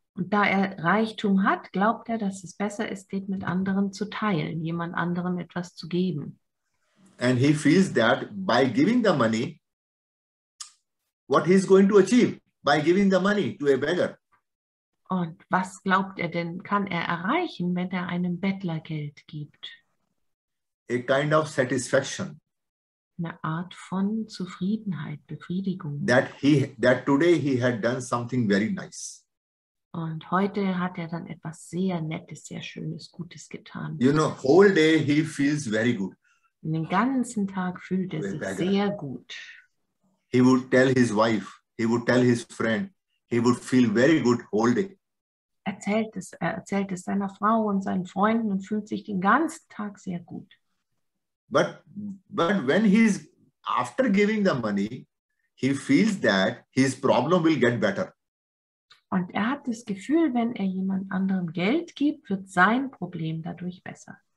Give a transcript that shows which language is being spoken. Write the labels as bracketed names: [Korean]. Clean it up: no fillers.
[German] Und da er Reichtum hat, glaubt er, dass es besser ist, den mit anderen zu teilen, jemand anderem etwas zu geben. [English] And he feels that by giving the money, what he's going to achieve by giving the money to a beggar. [German] Und was glaubt er denn, kann er erreichen, wenn er einem Bettler Geld gibt? [English] A kind of satisfaction. [German] Eine Art von Zufriedenheit, Befriedigung. [English] That today he had done something very nice. [German] Und heute hat er dann etwas sehr Nettes, sehr Schönes, Gutes getan. [English] You know, whole day he feels very good. [German] Und den ganzen Tag fühlt er sich sehr gut. [English] He would tell his wife, he would tell his friend, he would feel very good whole day. [German] Er erzählt es seiner Frau und seinen Freunden und fühlt sich den ganzen Tag sehr gut. [English] But when he is after giving the money, he feels that his problem will get better. [German] Und er hat das Gefühl, wenn er jemand anderem Geld gibt, wird sein Problem dadurch besser.